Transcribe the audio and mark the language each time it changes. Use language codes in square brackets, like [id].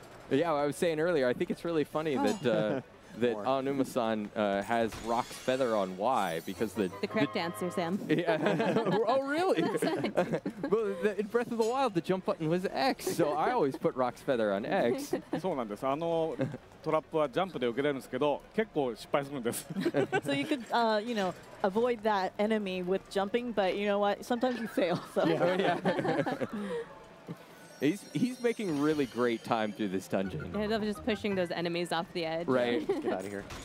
[en] Yeah, I was saying earlier, I think it's really funny that that Aonuma-san has Rock's Feather on Y, because the correct answer, Sam. Yeah. Oh, really? <That's right. laughs> Well, in Breath of the Wild, the jump button was X, so I always put Rock's Feather on X. [ja] So なんです。あのトラップはジャンプで受けれるんですけど、結構失敗するんです。 [en] So you could, you know, avoid that enemy with jumping, but you know what? Sometimes you fail, so. Yeah. Yeah. He's making really great time through this dungeon. I love just pushing those enemies off the edge. Right. Get out of here.